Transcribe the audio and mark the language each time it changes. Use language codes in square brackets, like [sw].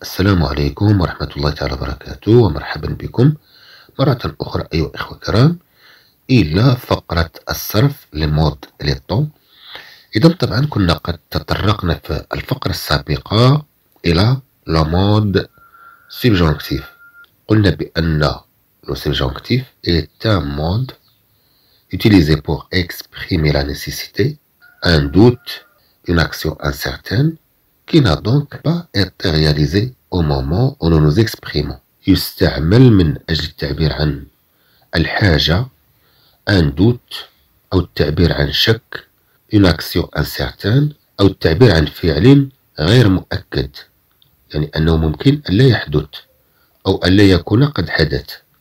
[ar] السلام عليكم ورحمة الله تعالى وبركاته، ومرحبا بكم مرة أخرى أيها الأخوة الكرام إلى فقرة الصرف لمود ليتو. إذا طبعا كنا قد تطرقنا في الفقرة السابقة إلى لمود سيبجونكتيف، قلنا بأن السيبجونكتيف التام مود [fr] utilisé pour exprimer la nécessité, un doute, une action incertaine qui n'a donc pas été réalisé au moment où nous nous exprimons. [ar] يستعمل من أجل التعبير عن الحاجة، [fr] un doute, [ar] أو التعبير عن شك، [fr] une action incertaine, [ar] أو التعبير عن فعل غير مؤكد، يعني أنه ممكن ألا يحدث أو ألا يكون قد حدث.